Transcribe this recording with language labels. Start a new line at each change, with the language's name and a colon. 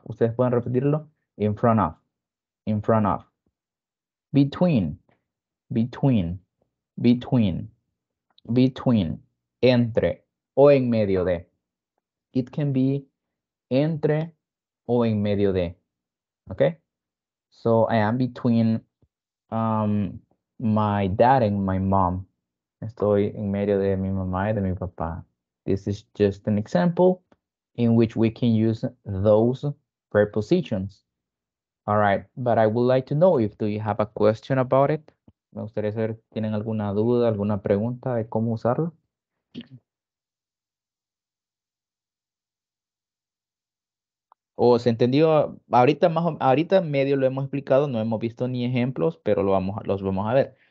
Spanish: ¿Ustedes pueden repetirlo?
English: In front of, between, between, between, between.
Spanish: Entre o en medio de.
English: It can be
Spanish: entre o en medio de. Okay?
English: So I am between my dad and my mom.
Spanish: Estoy en medio de mi mamá y de mi papá.
English: This is just an example in which we can use those prepositions. All right, but I would like to know if do you have a question about it.
Spanish: Me gustaría saber si tienen alguna duda, alguna pregunta de cómo usarlo. O se entendió ahorita, más o, ahorita medio lo hemos explicado, no hemos visto ni ejemplos, pero lo vamos, los vamos a ver.